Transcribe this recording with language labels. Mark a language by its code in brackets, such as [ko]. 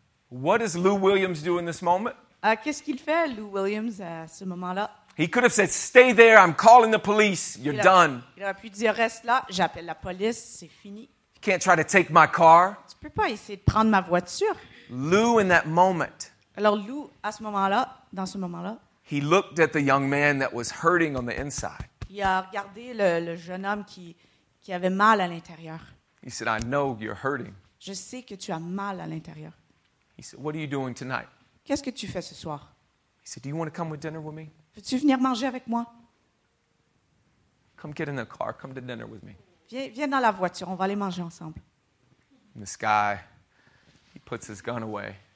[en] What does Lou Williams do in this moment? [fr] Qu'est-ce qu'il fait, Lou Williams, à ce moment-là? [en] He could have said, "Stay there, I'm calling the police, you're done." [fr] Il aurait pu dire, "Reste là, j'appelle la police, c'est fini." [en] "Can't try to take my car." [fr] Tu peux pas essayer de prendre ma voiture. [en] Lou, in that moment. [fr] Alors Lou, à ce moment-là, dans ce moment-là. [en] He looked at the young man that was hurting on the inside. [fr] Il a regardé le jeune homme qui avait mal à l'intérieur. [en] He said, "I know you're hurting." [fr] Je sais que tu as mal à l'intérieur. [en] He said, "What are you doing tonight?" [fr] Qu'est-ce que tu fais ce soir? [en] He said, "Do you want to come with dinner with me?" [fr] Veux-tu venir manger avec moi? [en] "Come get in the car. Come to dinner with me." [fr] Viens dans la voiture, on va aller manger ensemble. [en] And this guy, he puts his gun away.